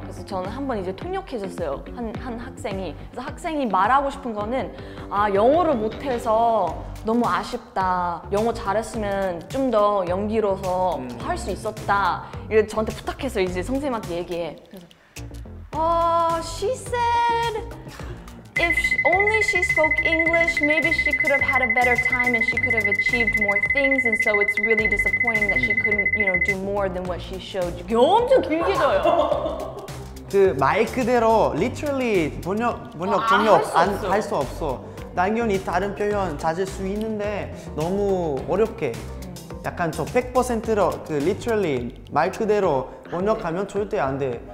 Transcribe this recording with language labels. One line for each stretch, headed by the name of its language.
Korean: 그래서 저는 한번 이제 통역해 줬어요. 한 학생이. 그래서 학생이 말하고 싶은 거는 아, 영어를 못 해서 너무 아쉽다. 영어 잘했으면 좀 더 연기로서 할 수 있었다. 이래 저한테 부탁해서 이제 선생님한테 얘기해. 그래서
English: she said If only she spoke English, maybe she could have had a better time and she could have achieved more things. And so it's really disappointing that she couldn't, you know, do more than what she showed you.
Korean: 엄청 길게 줘요. 그 말 그대로 literally 번역 할 수 없어. 당연히 다른 표현 찾을 수 있는데 너무 어렵게. 약간 저 100%로 그 literally 말 그대로 번역하면 절대 안 돼.